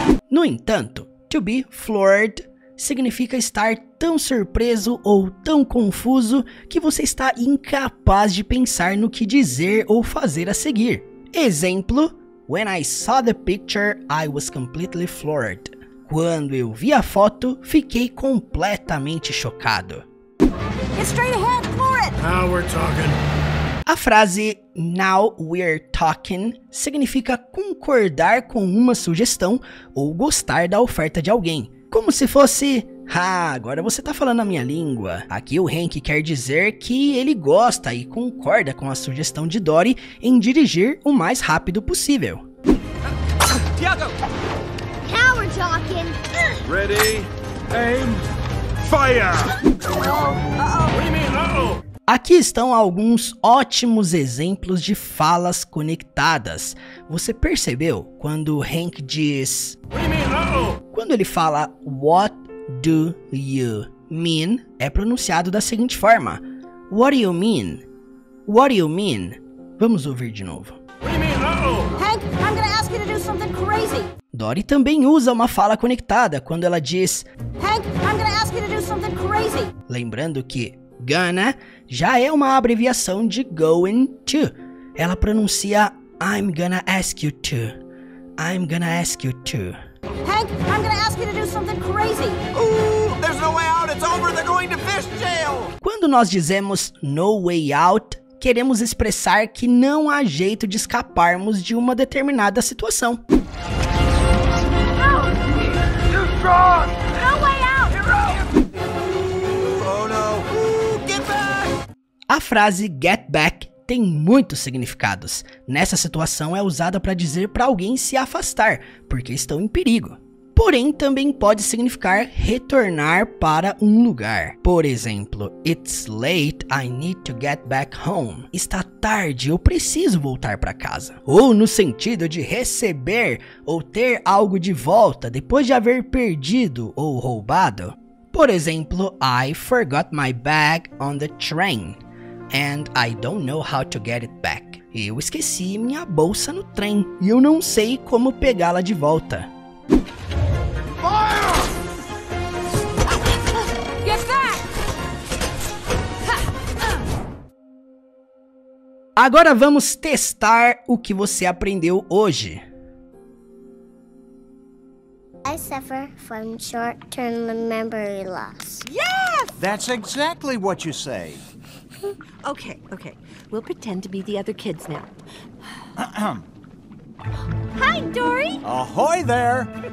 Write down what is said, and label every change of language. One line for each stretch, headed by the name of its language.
Portuguese: No entanto,
English: to be floored
Portuguese: significa estar tão surpreso ou tão confuso que você está incapaz de pensar no que dizer ou fazer a seguir.
English: Exemplo, when I saw the picture, I was completely floored.
Portuguese: Quando eu vi a foto, fiquei completamente chocado.
English: It's straight ahead, floor it! Now we're talking.
Portuguese: A frase
English: now we're talking
Portuguese: significa concordar com uma sugestão ou gostar da oferta de alguém. Como se fosse, ah, agora você tá falando a minha língua. Aqui o Hank quer dizer que ele gosta e concorda com a sugestão de Dory em dirigir o mais rápido possível. Tiago!
English: Now we're talking! Ready, aim, fire! Uh-oh. What do you mean, uh-oh?
Portuguese: Aqui estão alguns ótimos exemplos de falas conectadas. Você percebeu quando Hank diz...
English: What do you mean, uh-oh?
Portuguese: Quando ele fala
English: what do you mean,
Portuguese: é pronunciado da seguinte forma.
English: What do you mean? What do you mean?
Portuguese: Vamos ouvir de novo.
English: What do you mean, uh-oh? Hank, I'm gonna ask you to do something crazy.
Portuguese: Dory também usa uma fala conectada quando ela diz...
English: Hank, I'm gonna ask you to do something crazy.
Portuguese: Lembrando que... Gonna já é uma abreviação de going to. Ela pronuncia
English: I'm gonna ask you to. I'm gonna ask you to. Hank, I'm gonna ask you to do something crazy. Ooh, there's no way out. It's over. They're going to fish jail.
Portuguese: Quando nós dizemos
English: no way out,
Portuguese: queremos expressar que não há jeito de escaparmos de uma determinada situação.
English: No!
Portuguese: A frase get back tem muitos significados. Nessa situação é usada para dizer para alguém se afastar, porque estão em perigo. Porém, também pode significar retornar para um lugar. Por exemplo,
English: it's late, I need to get back home.
Portuguese: Está tarde, eu preciso voltar para casa. Ou no sentido de receber ou ter algo de volta depois de haver perdido ou roubado. Por exemplo,
English: I forgot my bag on the train. And I don't know how to get it back.
Portuguese: Eu esqueci minha bolsa no trem e eu não sei como pegá-la de volta. Agora vamos testar o que você aprendeu hoje.
English: I suffer from short-term memory loss. Yes! That's exactly what you say. Okay, okay. We'll pretend to be the other kids now. Hi, Dory! Ahoy there!